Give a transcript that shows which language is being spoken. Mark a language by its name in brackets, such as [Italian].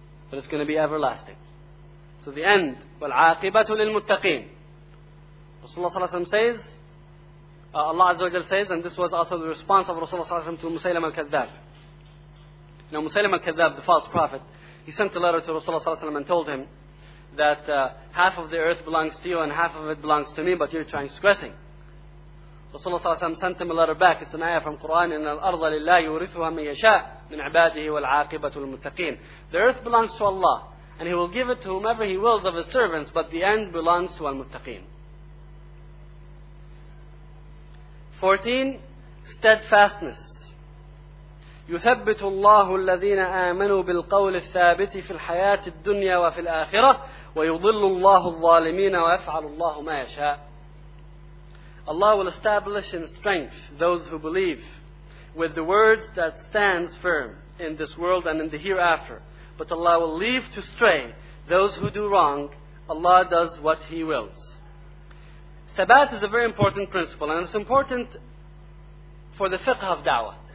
[English] But it's going to be everlasting. So the end. [Arabic] وَالْعَاقِبَةُ لِلْمُتَّقِينَ [English] Rasulullah ﷺ says, Allah Azza wa Jal says, and this was also the response of Rasulullah ﷺ to Musaylam al-Kadhab. Now Musaylam al-Kadhab, the false prophet, he sent a letter to Rasulullah ﷺ and told him that half of the earth belongs to you and half of it belongs to me, but you're transgressing. Rasulullah ﷺ sent him a letter back. It's an ayah from Quran. [Arabic] إِنَّ الْأَرْضَ لِلَّهِ يُورِثُهَا مَنْ يَشَاءُ مِنْ عِبَادِهِ وَالْعَاقِبَةُ الْمُتَّقِينَ [English] The earth belongs to Allah. And He will give it to whomever He wills of His servants. But the end belongs to al-muttaqeen. 14. Steadfastness. [Arabic] يُثَبِّتُ اللَّهُ الَّذِينَ آمَنُوا بِالْقَوْلِ الثَّابِتِ فِي الْحَيَاةِ الدُّنْيَا وَفِي الْآخِرَةِ ويضل الله الظالمين ويفعل الله ما يشاء. [English] Allah will establish in strength those who believe with the word that stands firm in this world and in the hereafter. But Allah will leave to stray those who do wrong. Allah does what He wills. Thabat is a very important principle, and it's important for the fiqh of da'wah.